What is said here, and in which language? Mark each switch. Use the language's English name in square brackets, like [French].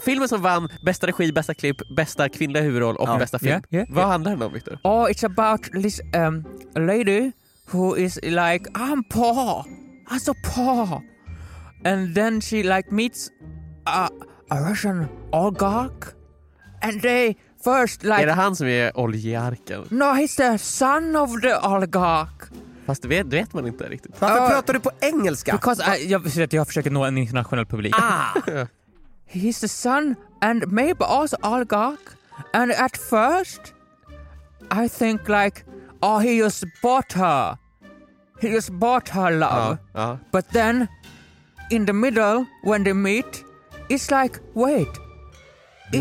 [Swedish] Filmen som vann bästa regi, bästa klipp, bästa kvinnliga huvudroll och bästa film. Vad handlar den om, Victor? [English] Oh, it's about this lady who is like, I'm poor. I'm so poor. And then she like meets a Russian oligarch. And they first like... [Swedish] Är det han som är oligarken? [English] No, he's the son of the oligarch. [Swedish] Fast det vet man inte riktigt. Varför pratar du på engelska? Jag försöker nå en internationell publik. [English] Ah. He's the son and maybe also oligarch. And at first I think like, oh, he just bought her. He just bought her love. But then, in the middle, when they meet, it's like, wait, is